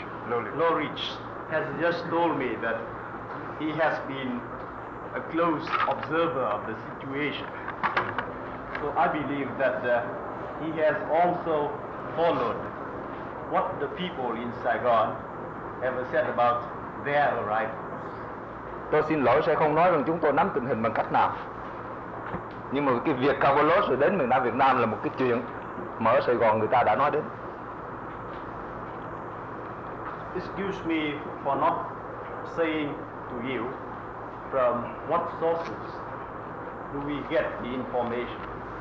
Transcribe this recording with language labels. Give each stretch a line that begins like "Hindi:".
English: Lodis has just told me that he has been a close observer of the situation. So I believe that he has also followed what the people in Saigon have said about their arrival.
Vietnamese: Tôi xin lỗi sẽ không nói rằng chúng tôi nắm tình hình bằng cách nào. Nhưng mà cái việc Cavalos đến miền Nam Việt Nam là một cái chuyện mà ở Sài Gòn người ta đã nói đến.
English: Excuse me for not saying to you from what sources do we get the information.